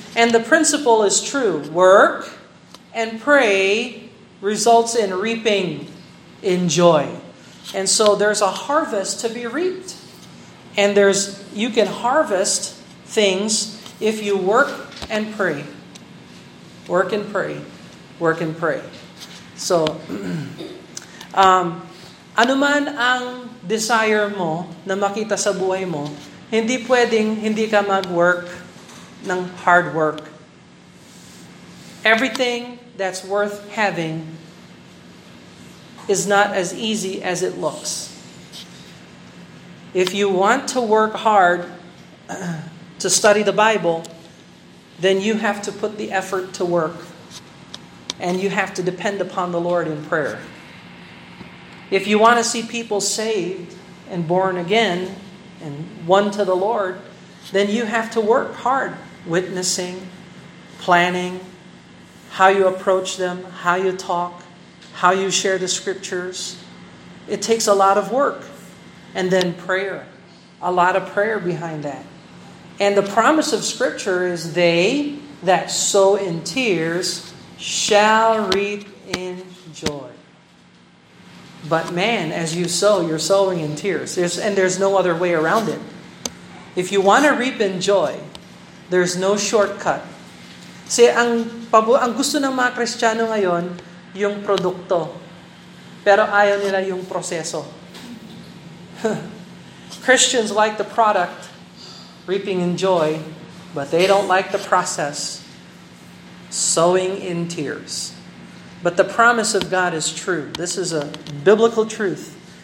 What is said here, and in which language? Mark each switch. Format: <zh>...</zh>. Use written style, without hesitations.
<en>And the principle is true. Work and pray results in reaping in joy. And so there's a harvest to be reaped. And there's you can harvest things if you work and pray. Work and pray. Work and pray.</en> <tl>So, anuman ang desire mo na makita sa buhay mo, hindi pwedeng hindi ka mag-work ng hard work.</tl> <en>Everything that's worth having is not as easy as it looks. If you want to work hard to study the Bible, then you have to put the effort to work and you have to depend upon the Lord in prayer. If you want to see people saved and born again and won to the Lord, then you have to work hard. Witnessing, planning, how you approach them, how you talk, how you share the scriptures. It takes a lot of work. And then prayer, a lot of prayer behind that. And the promise of scripture is they that sow in tears shall reap in joy. But man, as you sow, you're sowing in tears. There's no other way around it. If you want to reap in joy, there's no shortcut.</en> <tl>See, ang gusto ng mga Kristiyano ngayon, yung produkto. Pero ayaw nila yung proseso.</tl> <en>Christians like the product, reaping in joy, but they don't like the process, sowing in tears. But the promise of God is true. This is a biblical truth.</en>